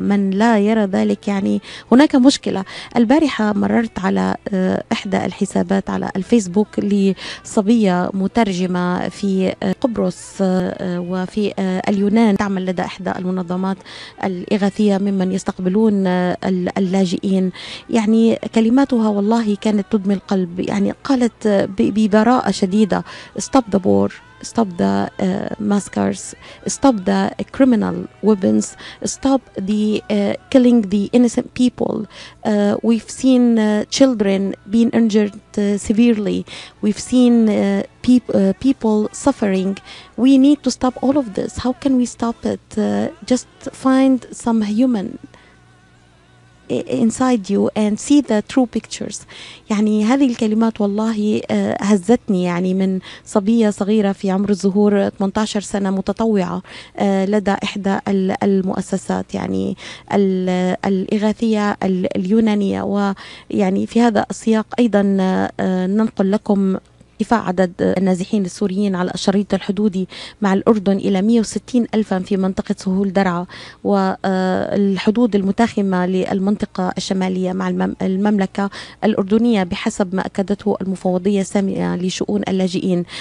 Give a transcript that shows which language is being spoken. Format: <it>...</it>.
<ar>من لا يرى ذلك يعني هناك مشكلة. البارحة مررت على إحدى الحسابات على الفيسبوك لصبية مترجمة في قبرص وفي اليونان، تعمل لدى إحدى المنظمات الإغاثية ممن يستقبلون اللاجئين. يعني كلماتها والله كانت تدمي القلب. يعني قالت ببراءة شديدة:</ar> <en>stop the war, stop the massacres, stop the criminal weapons, stop the killing the innocent people. We've seen children being injured severely. We've seen people suffering. We need to stop all of this. How can we stop it? Just find some human inside you and see the true pictures.</en> <ar>يعني هذه الكلمات والله هزتني. يعني من صبية صغيرة في عمر الزهور 18 سنة متطوعة لدى إحدى المؤسسات يعني الإغاثية اليونانية. ويعني في هذا السياق أيضا ننقل لكم ارتفاع عدد النازحين السوريين على الشريط الحدودي مع الأردن إلى 160 ألفا في منطقة سهول درعا والحدود المتاخمة للمنطقة الشمالية مع المملكة الأردنية بحسب ما أكدته المفوضية السامية لشؤون اللاجئين.</ar>